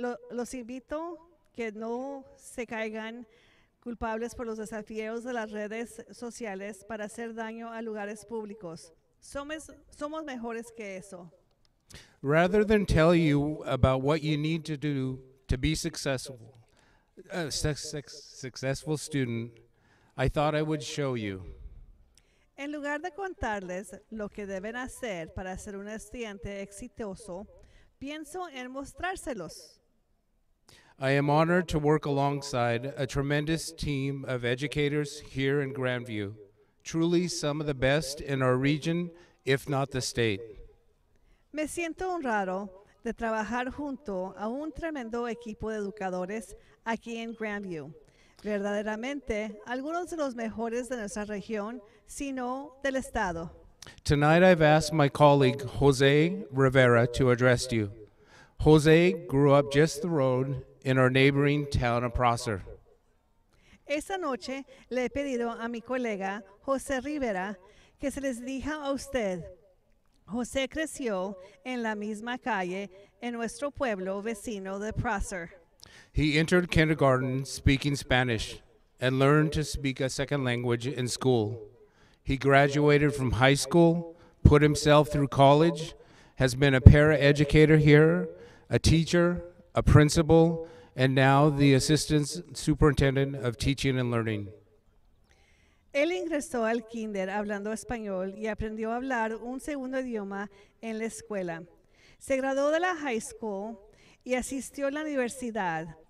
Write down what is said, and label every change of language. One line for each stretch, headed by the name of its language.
Spanish: Los invito que no se caigan culpables por los desafíos de las redes sociales para hacer daño a lugares públicos. Somos mejores que eso.
English: Rather than tell you about what you need to do to be successful, successful student, I thought I would show you.
Spanish: En lugar de contarles lo que deben hacer para ser un estudiante exitoso, pienso en mostrárselos.
English: I am honored to work alongside a tremendous team of educators here in Grandview, truly some of the best in our region, if not the state.
Spanish: Me siento honrado de trabajar junto a un tremendo equipo de educadores aquí en Grandview. Verdaderamente, algunos de los mejores de nuestra región, sino del estado.
English: Tonight I've asked my colleague Jose Rivera to address you. Jose grew up just the road in our neighboring town of Prosser.
Spanish: Esta noche le he pedido a mi colega Jose Rivera que se les dirija a usted. Jose creció en la misma calle en nuestro pueblo vecino de Prosser.
English: He entered kindergarten speaking Spanish and learned to speak a second language in school. He graduated from high school, put himself through college, has been a paraeducator here, a teacher, a principal, and now the assistant superintendent of teaching and learning.
Spanish: Él ingresó al kinder hablando español y aprendió a hablar un segundo idioma en la escuela. Se graduó de la
English: high school
Spanish: y asistió a la universidad.